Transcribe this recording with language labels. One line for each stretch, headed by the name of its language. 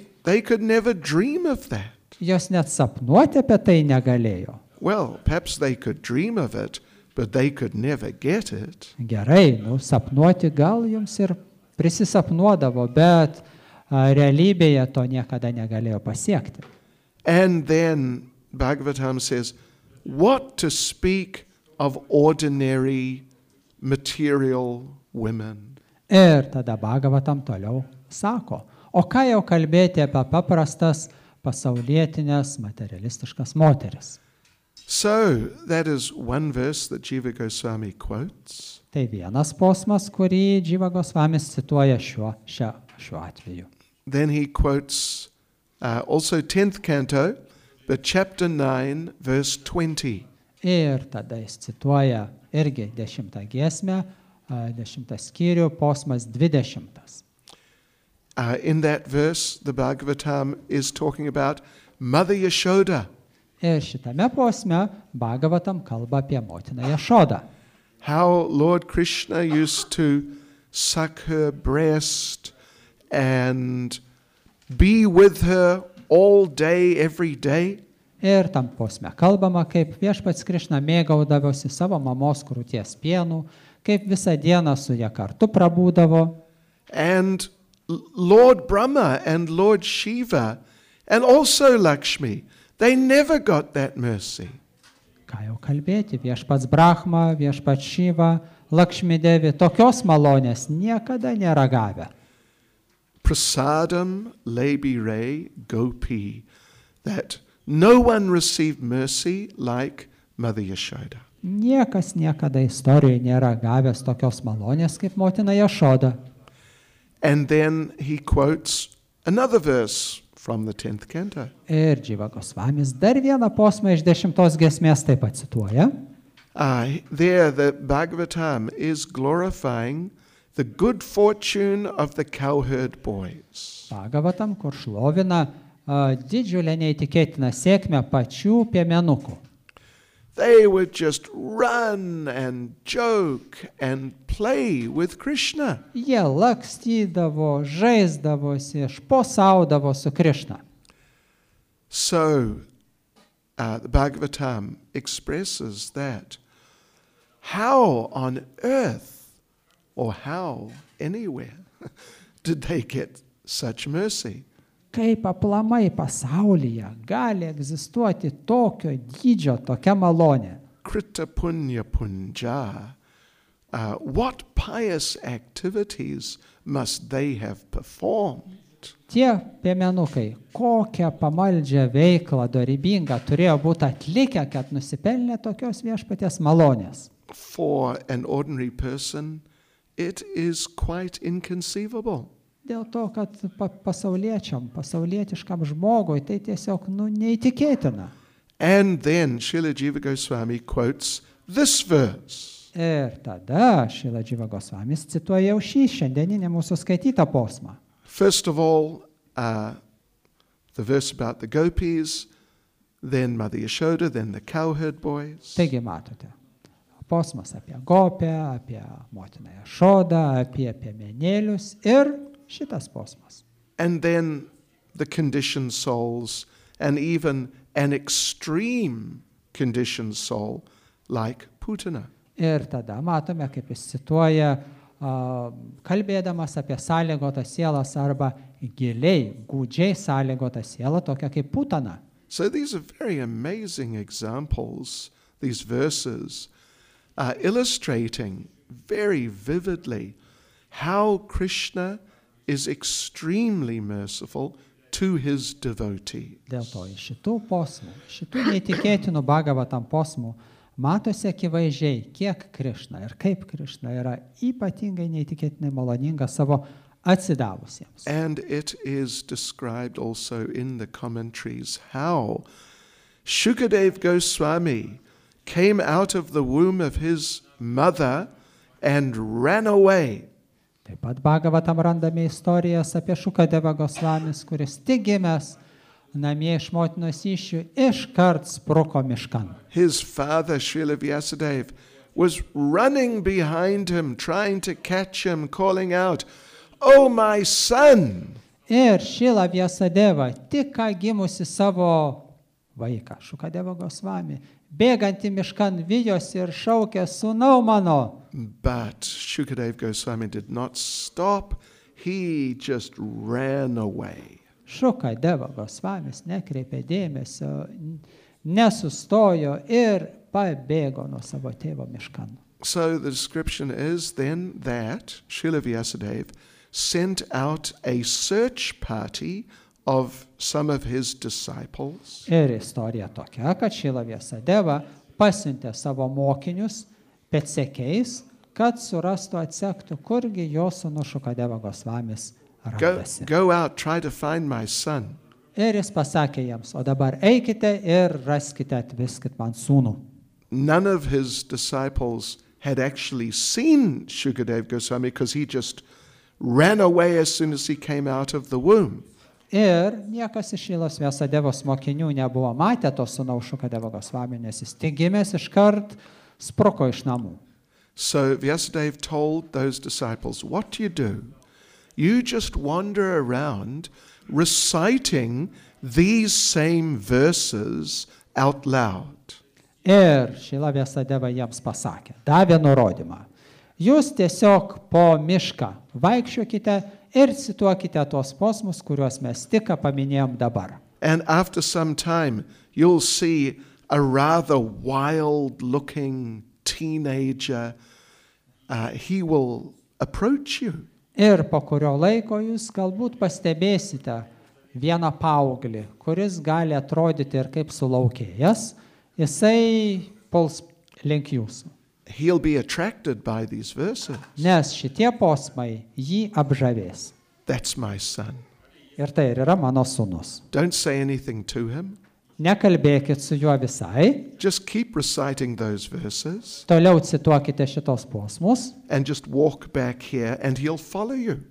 English: They could never dream of that.
Lithuanian: Jos net sapnuoti apie tai negalėjo.
English: Well, perhaps they could dream of it, but they could never get it.
Lithuanian: Gerai, sapnuoti gal jums ir prisisapnuodavo, bet realybėje to niekada negalėjo pasiekti.
English: And then Bhagavatam says, what to speak of ordinary material women?
Lithuanian: Ir tada Bhagavatam toliau sako, o ką jau kalbėti apie paprastas pasaulietinės materialistiškas moteris?
English: So, that is one verse that Jiva Goswami quotes.
Lithuanian: Tai vienas posmas, kurį Jiva Goswami cituoja šiuo atveju.
English: Then he quotes Also 10th canto, but chapter 9, verse 20.
Lithuanian: Ir tada jis cituoja irgi 10 giesmę, 10 skyrių, posmas 20.
English: In that verse, the Bhagavatam is talking about Mother Yashoda.
Lithuanian: Ir šitame posme Bhagavatam kalba apie motiną Yashodą.
English: How Lord Krishna used to suck her breast and be with her all day, every day.
Lithuanian: Ir tam posme kalbama, kaip viešpats Krishna mėgaudavosi savo mamos krūties pienu, kaip visą dieną su ja kartu prabūdavo.
English: And Lord Brahma and Lord Shiva and also Lakshmi, they never got that mercy.
Lithuanian: Ką jau kalbėti, viešpats Brahma, viešpats Shiva, Lakshmi Devi, tokios malonės niekada nėra gavę. Prasadam Labi Rei Gopi,
English: that no one received mercy like Mother Yashoda.
Lithuanian: Niekas niekada istorijoje nėra gavęs tokios malonės kaip motina Yashoda.
English: And then he quotes another verse from the 10th canto.
Lithuanian: Ir Jiva Gosvamis dar vieną posmą iš 10 giesmės taip pat cituoja.
English: There the Bhagavatam is glorifying the good fortune of the cowherd boys.
Lithuanian: Bhagavatam kur šlovina didžiulę neįtikėtiną sėkmę pačių piemenukų.
English: They would just run and joke and play with Krishna.
Lithuanian: Jie lakstydavo, žaisdavosi, šposaudavo su Krishna.
English: So, the Bhagavatam expresses that how on earth or how anywhere did they get such mercy?
Lithuanian: Kaip aplamai pasaulyje gali egzistuoti tokio dydžio, tokia malonė?
Sanskrit: Krita punya punja,
English: what pious activities must they have performed?
Lithuanian: Tie piemenukai, kokią pamaldžią veiklą dorybingą turėjo būti atlikę, kad nusipelnė tokios viešpaties malonės?
English: For an ordinary person, it is quite inconceivable.
Lithuanian: Dėl to, kad pasauliečiam, pasaulietiškam žmogui, tai tiesiog neįtikėtina.
English: And then Srila Jiva Goswami quotes this verse.
Lithuanian: Ir tada Srila Jiva Goswami cituoja jau šį šiandieninį mūsų skaitytą posmą.
English: First of all, the verse about the gopis, then Mother Yashoda, then the cowherd boys.
Lithuanian: Taigi matote. Posmas apie gopę, apie motiną Yashodą, apie piemenėlius ir šitas posmas.
English: And then the conditioned souls and even an extreme conditioned soul like Putana.
Lithuanian: Ir tada matome, kaip jis cituoja, kalbėdamas apie sąlygotą sielas arba giliai, gūdžiai sąlygotą sielą, tokia kaip Putana.
English: So these are very amazing examples, these verses, illustrating very vividly how Krishna is extremely merciful to his devotees.
Lithuanian: Dėl to iš šitų posmų, šitų neįtikėtinų Bhagavatam posmų, matosi akivaizdžiai, kiek Krishna ir kaip Krishna yra ypatingai neįtikėtinai maloninga savo atsidavusiems.
English: And it is described also in the commentaries how Shukadev Goswami came out of the womb of his mother and ran away.
Lithuanian: Taip pat Bhagavatam randame istorijas apie Šukadeva Goswamis, kuris tik gimęs namie iš motinos įsčių iš kart spruko miškan.
English: His father, Srila Vyasadev, was running behind him, trying to catch him, calling out, "Oh, my son!"
Lithuanian: Ir Srila Vyasadeva, tik ką gimusi savo vaiką, Šukadeva Goswami, bėgant į miškan vijos ir šaukė, sūnau mano.
English: But Shukadev Goswami did not stop, he just ran away.
Lithuanian: Shukadeva Goswamis nekreipė dėmesio, nesustojo ir pabėgo nuo savo tėvo miškan.
English: So the description is then that Srila Vyasadev sent out a search party of some of his disciples.
Lithuanian: Ir istorija tokia, kad Srila Vyasadeva pasiuntė savo mokinius pėdsekiais, kad surastų atsektų, kurgi jo sūnus Šukadeva Goswamis randasi.
English: Go out, try to find my son.
Lithuanian: Ir jis pasakė jiems, o dabar eikite ir raskite atviskit man sūnų.
English: None of his disciples had actually seen Shukadev Goswami because he just ran away as soon as he came out of the womb.
Lithuanian: Ir niekas iš Šilos Vyasadevos mokinių nebuvo matę to sūnaus Shukadeva Goswami, nes jis tik gimęs iškart sproko iš namų.
English: So Vyasadeva told those disciples, what do? You just wander around reciting these same verses out loud.
Lithuanian: Ir Šila Vyasadeva jiems pasakė, davė nurodymą. Jūs tiesiog po mišką vaikščiokite ir cituokite tuos posmus, kuriuos mes tik paminėjom dabar.
English: And after some time, you'll see a rather wild-looking teenager. He will approach you.
Lithuanian: Ir po kurio laiko jūs galbūt pastebėsite vieną paauglį, kuris gali atrodyti ir kaip sulaukėjas, jisai puls link jūsų.
English: He'll be attracted by these verses.
Lithuanian: Nes šitie posmai jį apžavės.
English: That's my son.
Lithuanian: Ir tai ir yra mano sūnus.
English: Don't say anything to him.
Lithuanian: Nekalbėkit su juo visai.
English: Just keep reciting those verses.
Lithuanian: Toliau cituokite šitos posmus.
English: And just walk back here and he'll follow you.